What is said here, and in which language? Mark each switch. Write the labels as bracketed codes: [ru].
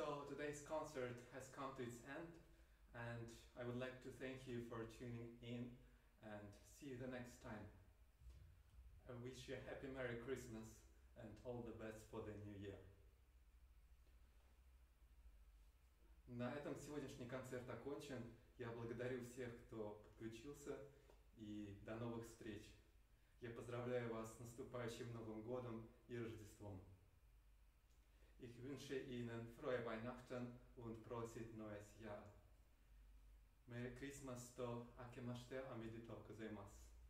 [en] today's concert has come to its end, and I would like to thank you for tuning in, and see you the next time. I wish you a happy Merry Christmas and all the best for the new year. [ru] На этом сегодняшний концерт окончен. Я благодарю всех, кто подключился, и до новых встреч. Я поздравляю вас с наступающим Новым годом и Рождеством. [de] Ich wünsche Ihnen frohe Weihnachten und prosit neues Jahr. [en] Merry Christmas to [ja] akemashite omedetou gozaimasu.